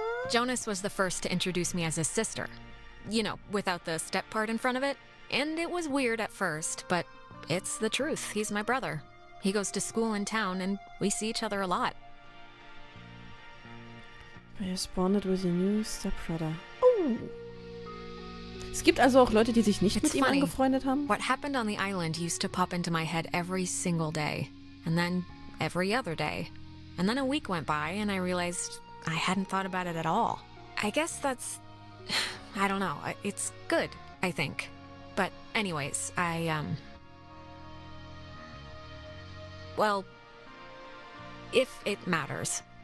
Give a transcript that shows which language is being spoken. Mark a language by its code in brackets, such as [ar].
[en] Jonas was the first to introduce me as his sister. You know, without the step part in front of it. And it was weird at first, but it's the truth. He's my brother. He goes to school in town and we see each other a lot. I responded with a new stepbrother. Oh! [de] Es gibt also auch Leute, die sich nicht mit ihm angefreundet haben. [en] What happened on the island used to pop into my head every single day, and then every other day. And then a week went by and I realized I hadn't thought about it at all. I guess that's, I don't know, it's good, I think. But anyways, well, if it matters.